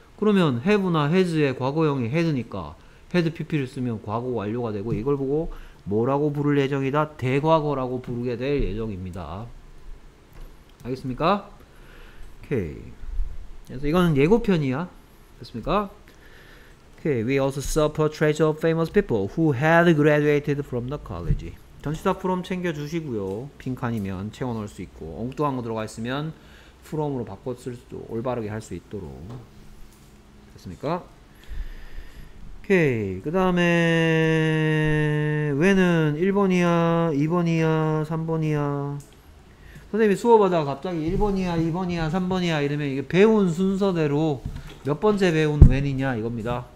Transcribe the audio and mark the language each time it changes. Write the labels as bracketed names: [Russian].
[Korean] 그러면 have나 has의 과거형이 had니까 had pp를 쓰면 과거 완료가 되고 이걸 보고 뭐라고 부를 예정이다? 대과거라고 부르게 될 예정입니다. 알겠습니까? 오케이. 그래서 이거는 예고편이야. 됐습니까? 오케이. [English] We also saw portraits of famous people who had graduated from the college. [Korean] 전시 다 from 챙겨주시고요. 빈칸이면 채워넣을 수 있고 엉뚱한 거 들어가 있으면 from으로 바꿔 쓸 수도 올바르게 할 수 있도록. 됐습니까? 오케이. 그 다음에 왜는 1번이야 2번이야 3번이야 선생님이 수업하다가 갑자기 1번이야 2번이야 3번이야 이러면 이게 배운 순서대로 몇 번째 배운 when이냐 이겁니다.